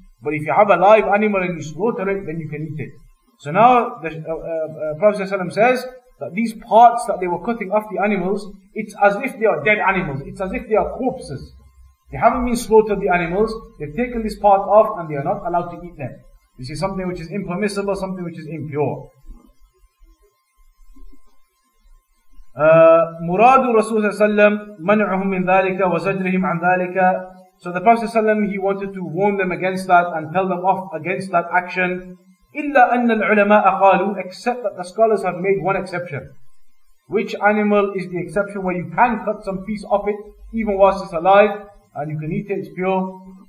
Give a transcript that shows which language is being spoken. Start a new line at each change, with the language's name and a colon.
English: But if you have a live animal and you slaughter it, then you can eat it. So now the Prophet ﷺ says that these parts that they were cutting off the animals, it's as if they are dead animals. It's as if they are corpses. They haven't been slaughtered, the animals. They've taken this part off and they are not allowed to eat them. This is something which is impermissible, something which is impure.
Arabic: مراد رسول الله صلى الله عليه وسلم منعهم من ذلك وزجرهم عن ذلك.
English: So the Prophet صلى الله عليه وسلم, he wanted to warn them against that and tell them off against that action.
Arabic: إلا أن العلماء قالوا,
English: except that the scholars have made one exception. Which animal is the exception where you can cut some piece off it even whilst it's alive and you can eat it, it's pure?